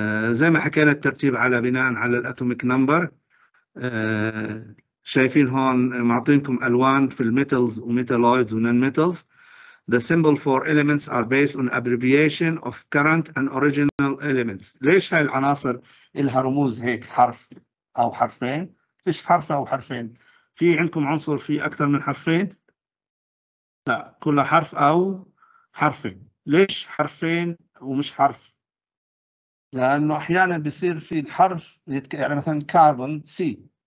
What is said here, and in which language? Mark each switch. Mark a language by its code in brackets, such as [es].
[ar] زي ما حكينا الترتيب على بناء على الاتوميك نمبر. شايفين هون معطينكم ألوان في الميتلز وميتالويدز ونون ميتلز. [en] The symbol for elements are based on abbreviation of current and original elements. [ar] ليش هاي العناصر إلها رموز هيك حرف أو حرفين؟ فيش حرف أو حرفين. في عندكم عنصر فيه أكثر من حرفين؟ لا، كلها حرف أو حرفين. ليش حرفين ومش حرف؟ لأنه أحياناً بيصير في الحرف يعني مثلاً كاربون سي.